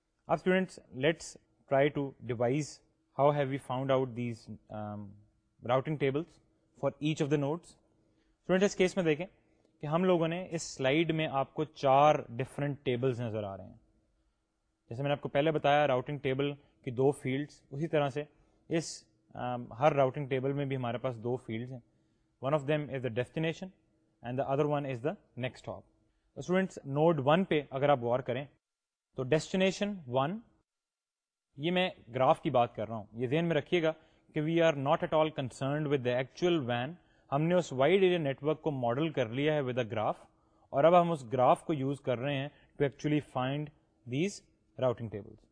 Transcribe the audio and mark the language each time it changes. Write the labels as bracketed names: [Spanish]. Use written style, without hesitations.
[English] اب students, let's try to devise how have we found out these routing tables for each of the nodes. [Urdu] Students, اس case میں دیکھیں کہ ہم لوگوں نے اس سلائیڈ میں آپ کو چار ڈفرینٹ ٹیبلز نظر آ رہے ہیں. جیسے میں نے آپ کو پہلے بتایا راؤٹنگ ٹیبل کی دو فیلڈس, اسی طرح سے اس ہر راؤٹنگ ٹیبل میں بھی ہمارے پاس دو فیلڈز ہیں. [English] One of them is the destination and the other one is the next hop. [Urdu] Students, node 1 پہ اگر آپ غور کریں تو ڈیسٹینیشن 1, یہ میں گراف کی بات کر رہا ہوں, یہ ذہن میں رکھیے گا کہ [English] We are not at all concerned with the actual when. [Urdu] ہم نے اس وائڈ ایریا نیٹورک کو ماڈل کر لیا ہے [English] with a graph, [Urdu] اور اب ہم اس گراف کو یوز کر رہے ہیں [English] To actually find these routing tables.